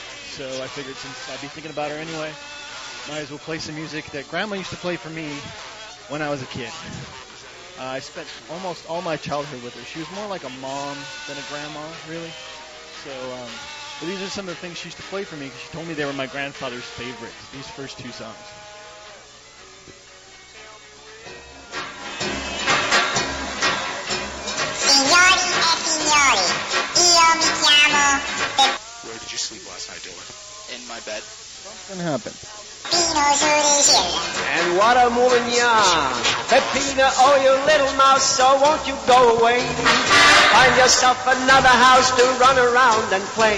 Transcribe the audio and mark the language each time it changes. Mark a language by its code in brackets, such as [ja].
[en] So I figured since I'd be thinking about her anyway, might as well play some music that grandma used to play for me when I was a kid. I spent almost all my childhood with her. She was more like a mom than a grandma, really. So but these are some of the things she used to play for me, because she told me they were my grandfather's favorites, these first two songs. [it] Signori e signori, io mi chiamo... [en] Where did you sleep last night, Dylan? In my bed. What's going to happen? And what a woman ya, Peppina, oh you little mouse, so won't you go away? Find yourself another house to run around and play.